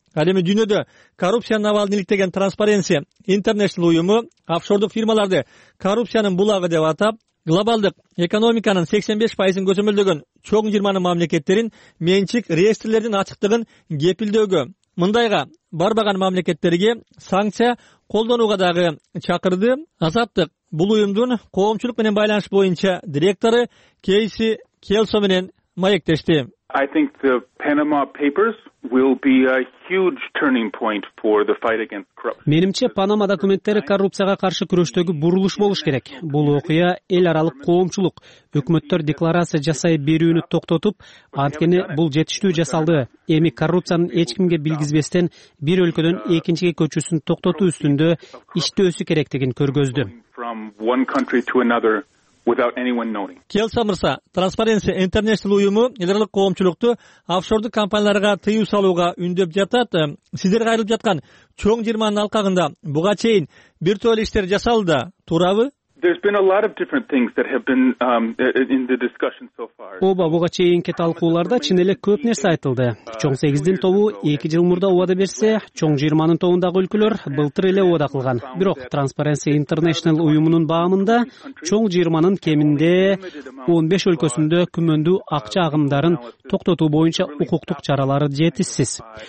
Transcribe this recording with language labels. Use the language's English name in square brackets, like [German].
[Kyrgyz] Ал эми дүйнөдө коррупциянын абалын иликтеген Transparency International уюму офшордук фирмаларды коррупциянын булагы деп атап, глобалдык экономиканын 85% көзөмөлдөгөн чоң 20 мамлекеттерин менчик реестрлердин ачыктыгын кепилдөөгө, мындайга барбаган мамлекеттерге санкция колдонууга дагы чакырды. Азаттык бул уюмдун коомчулук менен байланыш боюнча директору Кейси Келсо менен маектешти. [English] I think the Panama Papers will be a huge turning point for the fight against corruption. [Kyrgyz] Менимче Панама документтери коррупцияга каршы күрөштөгү бурулуш болуш керек. Бул окуя эл аралык коомчулук, өкмөттөр декларация жасай берүүнү токтотуп, анткени бул жетиштүү жасалды. Эми коррупциянын эч кимге билгизбестен бир өлкөдөн экинчиге көчүүсүн токтотуу үстүндө иштөөсү керектигин көргөздү. [English] Without anyone knowing. [Kyrgyz] Келса мырса, Transparency International уюму элдик коомчулукту офшордук компанияларга тыюу салууга үндөп жатат. Сиздер кайрылып жаткан чоң 20 алкагында буга чейин бир тоолу иштер жасалды, туурабы? [English] There's been a lot of different things that have been in the discussion so far. [Kyrgyz] Оба буга чейинки талкууларда чын эле көп нерсе айтылды. Чоң 8'дин тобу 2 жыл мурда убада берсе, чоң 20'нын тобундагы өлкөлөр былтыр эле убада кылган. Бирок Transparency International уюмунун баамында чоң 20'нын кеминде 15 өлкөсүндө күмөндүү акча агымдарын токтотуу боюнча укуктук чаралары жетишсиз.